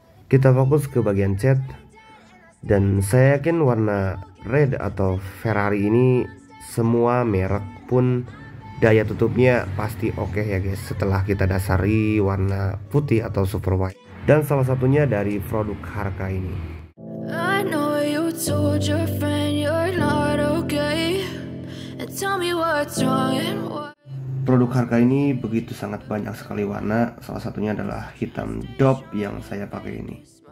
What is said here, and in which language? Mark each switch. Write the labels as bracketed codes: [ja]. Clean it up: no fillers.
[id] Kita fokus ke bagian cat, dan saya yakin warna red atau Ferrari ini semua merek pun daya tutupnya pasti oke ya guys, setelah kita dasari warna putih atau super white, dan salah satunya dari produk Harka ini. [en] I know you told your friend you're not okay. Tell me what's wrong and what... [id] Produk Harka ini begitu sangat banyak sekali warna. Salah satunya adalah hitam dope yang saya pakai ini.